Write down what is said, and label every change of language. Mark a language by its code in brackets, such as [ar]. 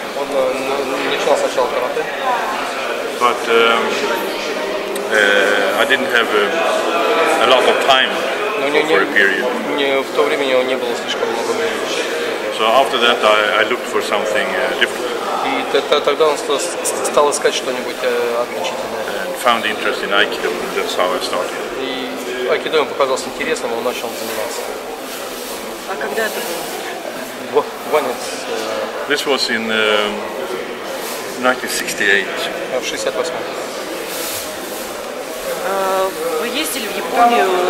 [ru] Он начинал сначала карате. [en] But I didn't have a lot of time for a period. [ru] В то время у него не было слишком много времени. [en] So after that, I looked for something different. [ru] И тогда он стал искать что-нибудь отличительное. [en] And found interest in Aikido, and that's how I started. [ru] И Aikido ему показалось интересным, он начал заниматься. А когда это было? [en] When it's, This was in 1968. [ru] В 68-м. Вы ездили в Японию?